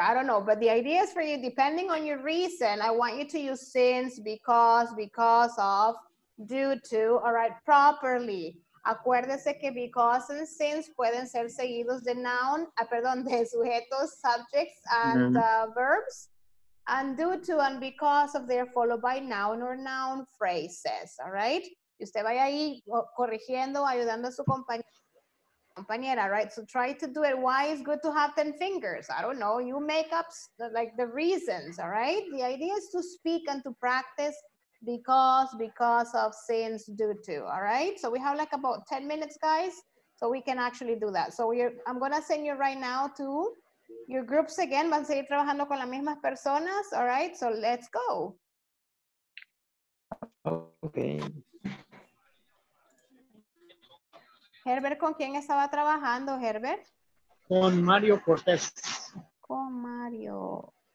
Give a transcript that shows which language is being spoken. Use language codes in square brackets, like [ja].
[en] I don't know, but the idea is for you, depending on your reason, I want you to use since, because of, due to, all right, properly. [es] Acuérdese que because and since pueden ser seguidos de noun, perdón, de sujetos, subjects, and verbs. [en] And due to and because of, they're followed by noun or noun phrases, all right? [es] Y usted vaya ahí corrigiendo, ayudando a su compañera, right? [en] So try to do it. Why is good to have 10 fingers? I don't know. You make up like the reasons, all right? The idea is to speak and to practice because of, since, due to, all right? So we have like about 10 minutes, guys, so we can actually do that. So I'm going to send you right now to your groups again. [es] Van a seguir trabajando con las mismas personas, [en] all right? So let's go. Okay. [es] Herbert, ¿con quién estaba trabajando, Herbert? Con Mario Cortés. Con Mario.